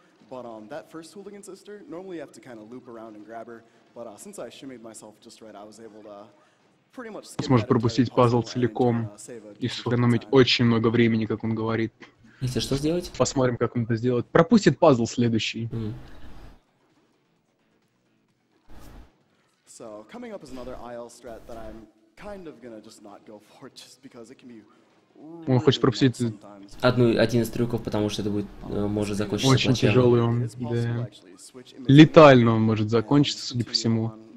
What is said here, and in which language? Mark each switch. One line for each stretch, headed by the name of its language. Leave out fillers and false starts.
English: But that first hooligan sister, normally you have to kind of loop around and grab her. But since I shimmied myself just right, I was able to pretty much skip.
Russian: Сможет пропустить пазл целиком и сэкономить очень много времени, как он говорит. Если что сделать? Посмотрим, как он это сделает. Пропустит пазл следующий.
English: So coming up is another IL strat that I'm kind of gonna just not go for just because it can be.
Russian: Он хочет пропустить один из трюков, потому что это будет может закончиться очень плачем. Тяжелый он, да. Летально он может закончиться, судя по всему.